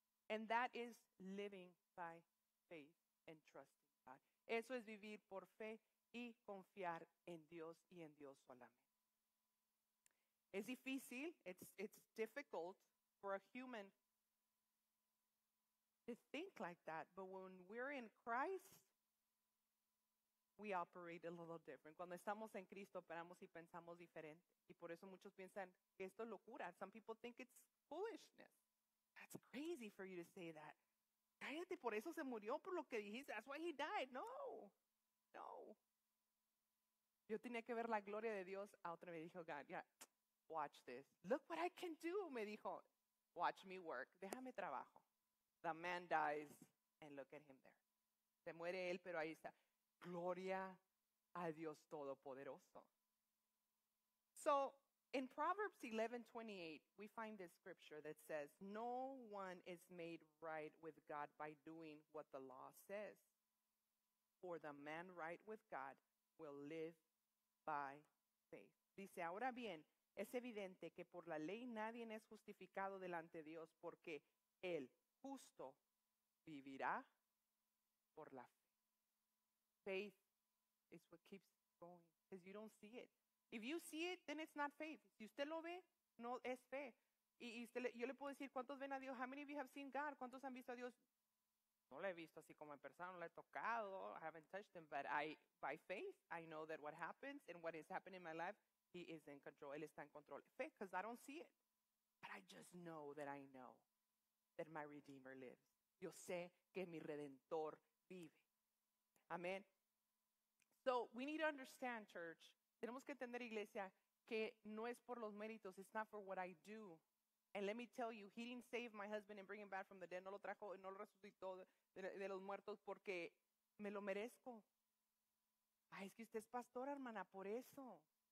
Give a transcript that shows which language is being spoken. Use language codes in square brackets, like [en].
[en] And that is living by faith and trusting God. [es] Eso es vivir por fe. Y confiar en Dios y en Dios solamente. Es difícil, [en] it's difficult for a human to think like that. But when we're in Christ, we operate a little different. [es] Cuando estamos en Cristo, operamos y pensamos diferente. Y por eso muchos piensan que esto es locura. [en] Some people think it's foolishness. That's crazy for you to say that. [es] Cállate, por eso se murió, por lo que dijiste. [en] That's why he died. [es] No, no. Yo tenía que ver la gloria de Dios. [en] A otro me dijo, God, yeah, watch this. Look what I can do, me dijo. Watch me work. [es] Déjame trabajo. [en] The man dies, and look at him there. [es] Se muere él, pero ahí está. Gloria a Dios Todopoderoso. [en] So, in Proverbs 11:28, we find this scripture that says, no one is made right with God by doing what the law says. For the man right with God will live by faith. [es] Dice, ahora bien, es evidente que por la ley nadie es justificado delante de Dios, porque el justo vivirá por la fe. [en] Faith is what keeps going, because you don't see it. If you see it, then it's not faith. [es] Si usted lo ve, no es fe. Y usted yo le puedo decir, ¿cuántos ven a Dios? [en] How many of you have seen God? [es] ¿Cuántos han visto a Dios? No lo he visto así como en persona, no lo he tocado, [en] I haven't touched him, but I, by faith, I know that what happens and what is happening in my life, he is in control, [es] él está en control. [en] Faith, because I don't see it, but I just know that my Redeemer lives. [es] Yo sé que mi Redentor vive. Amen. [en] So, we need to understand, church, [es] tenemos que entender, iglesia, que no es por los méritos, [en] it's not for what I do. And let me tell you, he didn't save my husband and bring him back from the dead. [es] No lo trajo, no lo resucitó de los muertos porque me lo merezco. Ay, es que usted es pastora, hermana, por eso.